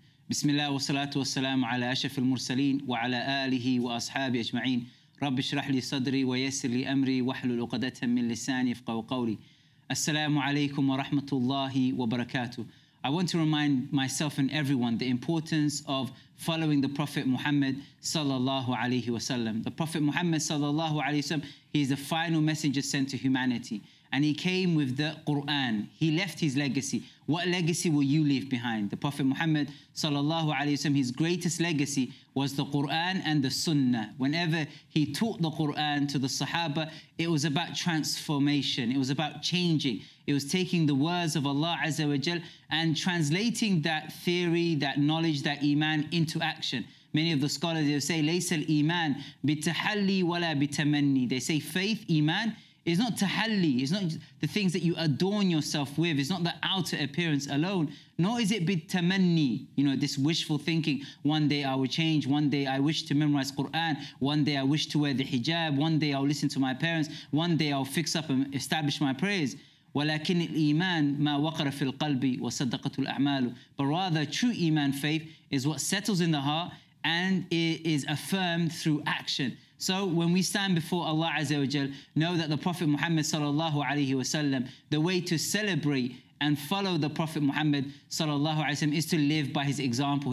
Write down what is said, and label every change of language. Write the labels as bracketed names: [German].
[Arabic] بسم الله والصلاة والسلام على أشرف المرسلين وعلى آله وأصحابه أجمعين. رب اشرح لي صدري ويسر لي أمري واحلل عقدة من لساني يفقهوا قولي. السلام عليكم ورحمة الله وبركاته. [English] I want to remind myself and everyone the importance of following the Prophet Muhammad sallallahu alaihi wasallam. The Prophet Muhammad sallallahu alaihi wasallam, he is the final messenger sent to humanity, and he came with the Quran. He left his legacy. What legacy will you leave behind? The Prophet Muhammad sallallahu alaihi wasallam, his greatest legacy was the Quran and the Sunnah. Whenever he taught the Quran to the Sahaba, it was about transformation. It was about changing. It was taking the words of Allah Azza wa Jal and translating that theory, that knowledge, that iman into action. Many of the scholars, they say, [Arabic] لَيْسَ الْإِيمَانِ بِتَحَلِّي وَلَا بِتَمَنِّي. [English] They say faith, iman, is not tahalli. It's not the things that you adorn yourself with. It's not the outer appearance alone. Nor is it bitamanni, you know, this wishful thinking. One day I will change. One day I wish to memorize Quran. One day I wish to wear the hijab. One day I'll listen to my parents. One day I'll fix up and establish my prayers. [Arabic] ولكن الإيمان ما وقر في القلب وصدقت الأعمال. [English] But rather, true iman, faith, is what settles in the heart and it is affirmed through action. So when we stand before Allah Azza wa Jal, know that the Prophet Muhammad sallallahu alaihi wasallam, the way to celebrate and follow the Prophet Muhammad sallallahu alaihi wasallam is to live by his example.